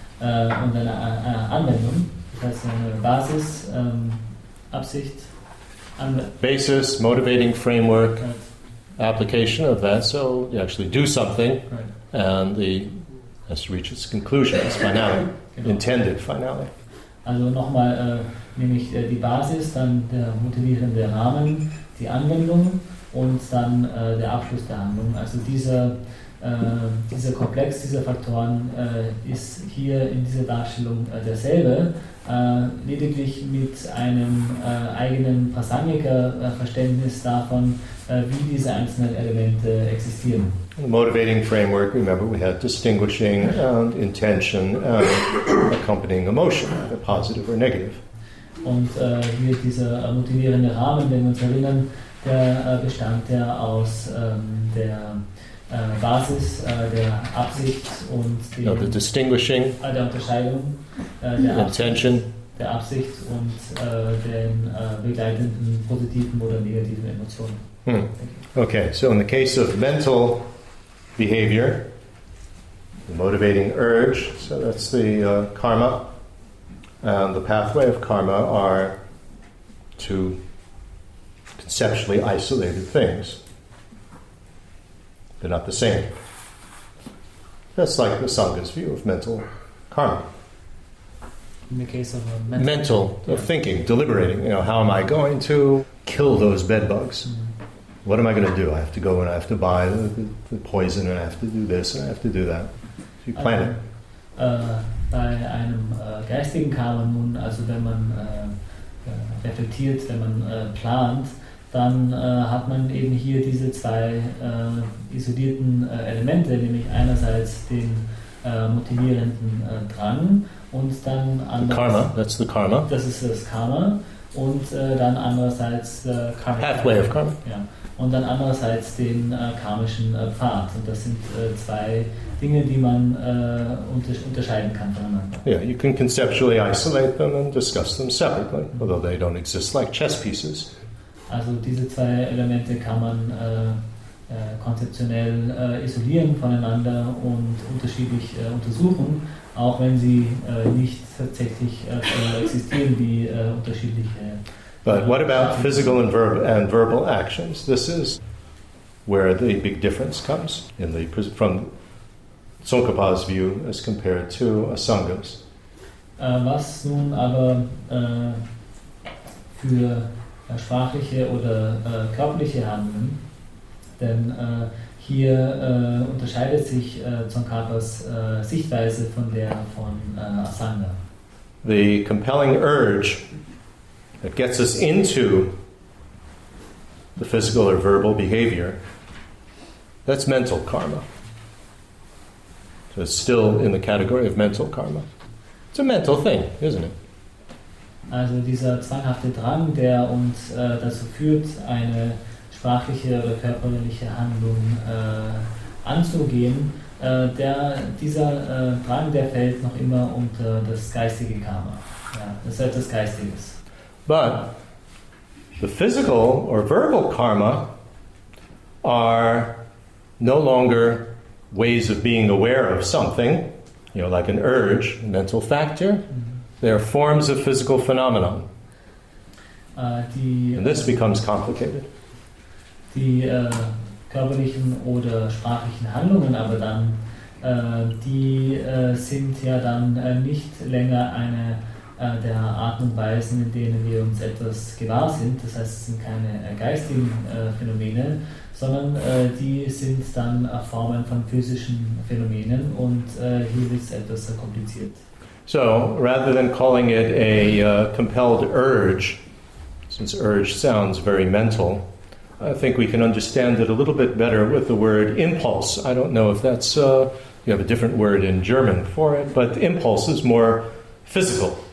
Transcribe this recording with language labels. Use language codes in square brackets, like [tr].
[de] Und eine Anwendung, das heißt eine Basis, Absicht, Anwendung. [en] Basis, motivating framework, right. Application of that, so you actually do something, right. And the has to reach its conclusion, its finale, [de] genau. [en] Intended finale. [de] Also nochmal, nämlich die Basis, dann der motivierende Rahmen, die Anwendung und dann der Abschluss der Handlung. Also dieser Komplex dieser Faktoren ist hier in dieser Darstellung derselbe, lediglich mit einem eigenen Prasangika-Verständnis davon, wie diese einzelnen Elemente existieren. [en] The motivating framework, remember, we had distinguishing and intention accompanying emotion, either positive or negative. [de] Und hier dieser motivierende Rahmen, den wir uns erinnern, der bestand ja aus der Basis der Absicht und dem, [en] no, the distinguishing, [de] der Unterscheidung der intention, Absicht, der Absicht und den begleitenden positiven oder negativen Emotionen. Hmm. [en] Okay, so in the case of mental behavior, the motivating urge, so that's the karma, and the pathway of karma are two conceptually isolated things. They're not the same. That's like the Sangha's view of mental karma. In the case of a mental of thinking, deliberating, you know, how am I going to kill those bed bugs? Mm-hmm. What am I going to do? I have to go and I have to buy the poison and I have to do this and I have to do that. So you plan it. [de] Bei einem geistigen Karma nun, also wenn man reflektiert, wenn man plant, dann hat man eben hier diese zwei isolierten Elemente, nämlich einerseits den motivierenden Drang und dann andererseits... [en] Karma, that's the karma. [de] Das ist das Karma. Und dann andererseits... [en] Karma. Pathway of karma. [de] Ja. Und dann andererseits den karmischen Pfad. Und das sind zwei Dinge, die man unterscheiden kann voneinander. [en] Yeah, you can conceptually isolate them and discuss them separately, although they don't exist like chess pieces. [de] Also diese zwei Elemente kann man konzeptionell isolieren voneinander und unterschiedlich untersuchen, auch wenn sie nicht tatsächlich existieren wie unterschiedliche. [en] But what about physical and verbal actions? This is where the big difference comes in the from Tsongkhapa's view as compared to Asanga's. [de] Was nun aber für sprachliche oder körperliche Handlungen, denn hier unterscheidet sich Tsongkhapas Sichtweise von der von Asanga. [en] The compelling urge that gets us into the physical or verbal behavior, that's mental karma. So it's still in the category of mental karma. It's a mental thing, isn't it? [de] Also dieser zwanghafte Drang, der uns dazu führt, eine sprachliche oder körperliche Handlung anzugehen, dieser Drang, der fällt noch immer unter das geistige Karma. Ja, das ist etwas Geistiges. [en] But the physical or verbal karma are no longer ways of being aware of something, you know, like an urge, a mental factor. Mm-hmm. They are forms of physical phenomenon. And this becomes complicated. [de] Die körperlichen oder sprachlichen Handlungen aber dann, die sind ja dann nicht länger eine der Art und Weisen, in denen wir uns etwas gewahr sind. Das heißt, es sind keine geistigen Phänomene, sondern die sind dann Formen von physischen Phänomenen. Und hier wird es etwas kompliziert. [en] So, rather than calling it a compelled urge, since urge sounds very mental, I think we can understand it a little bit better with the word impulse. I don't know if that's, you have a different word in German for it, but impulse is more physical.